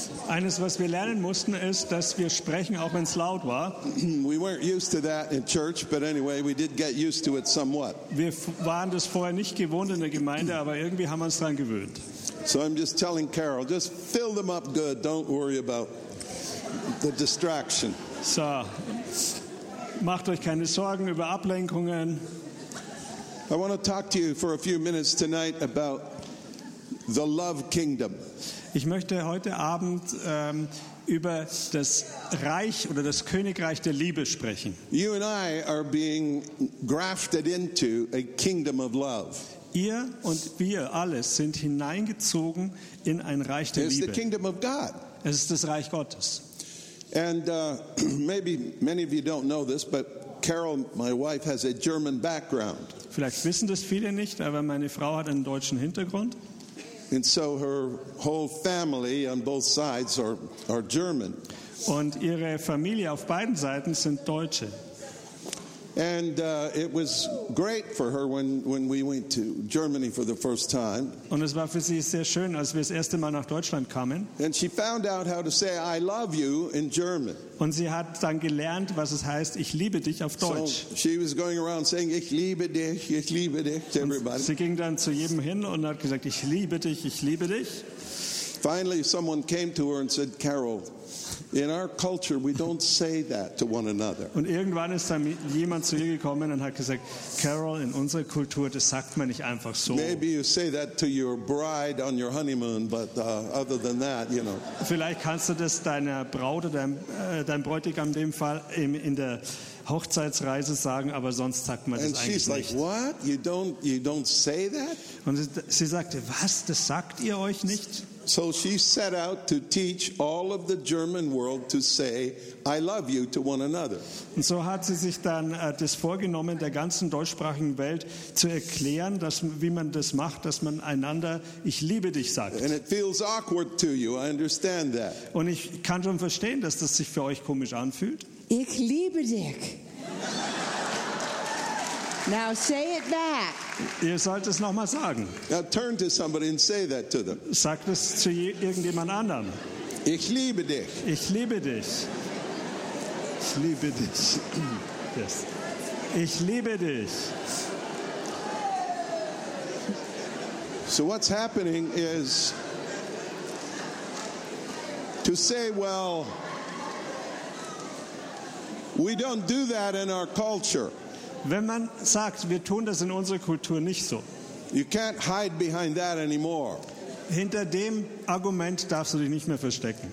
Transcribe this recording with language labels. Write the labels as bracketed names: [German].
[German] Eines, was wir lernen mussten, ist, dass wir sprechen, auch wenn es laut war. [English] We weren't used to that in church, but anyway, we did get used to it somewhat. [German] Wir waren das vorher nicht gewohnt in der Gemeinde, aber irgendwie haben wir uns dran gewöhnt. [English] So I'm just telling Carol, just fill them up good. Don't worry about the distraction. [German] So, macht euch keine Sorgen über Ablenkungen. [English] I want to talk to you for a few minutes tonight about the love kingdom. [German] Ich möchte heute Abend über das Reich oder das Königreich der Liebe sprechen. [English] You and I are being grafted into a kingdom of love. [German] Ihr und wir alle sind hineingezogen in ein Reich der Liebe. [English] It's the kingdom of God. [German] Es ist das Reich Gottes. [English] And maybe many of you don't know this, but Carol, my wife, has a German background. [German] Vielleicht wissen das viele nicht, aber meine Frau hat einen deutschen Hintergrund. [English] And so her whole family on both sides are German. [German] Und ihre Familie auf beiden Seiten sind Deutsche. [English] And it was great for her when we went to Germany for the first time. [German] Und es war für sie sehr schön, als wir das erste Mal nach Deutschland kamen. [English] And she found out how to say I love you in German. [German] Und sie hat dann gelernt, was es heißt, ich liebe dich auf Deutsch. [English] So she was going around saying [German] ich liebe dich [English] to everybody. [German] Und sie ging dann zu jedem hin und hat gesagt, ich liebe dich, ich liebe dich. [English] Finally someone came to her and said, Carol, in our culture we don't say that to one another. [German] Und irgendwann ist dann jemand zu ihr gekommen und hat gesagt, Carol, in unserer Kultur, das sagt man nicht einfach so. [English] Maybe you say that to your bride on your honeymoon, but other than that, you know. [German] Vielleicht kannst du das deiner Braut oder deinem Bräutigam in dem Fall in der Hochzeitsreise sagen, aber sonst sagt man das eigentlich nicht. [English] And she's like, what? You don't say that? [German] Und sie sagte, was, das sagt ihr euch nicht? [English] So she set out to teach all of the German world to say I love you to one another. [German] Und so hat sie sich dann das vorgenommen, der ganzen deutschsprachigen Welt zu erklären, dass wie man das macht, dass man einander ich liebe dich sagt. [English] And it feels awkward to you, I understand that. [German] Und ich kann schon verstehen, dass das sich für euch komisch anfühlt. Ich liebe dich. [English] Now say it back. [German] Ihr sollt es nochmal sagen. [English] Now turn to somebody and say that to them. [German] Sagt es zu irgendjemand anderem. Ich liebe dich. Ich liebe dich. Ich liebe dich. Yes. Ich liebe dich. [English] So what's happening is to say, well, we don't do that in our culture. [German] Wenn man sagt, wir tun das in unserer Kultur nicht so. [English] You can't hide behind that anymore. [German] Hinter dem Argument darfst du dich nicht mehr verstecken.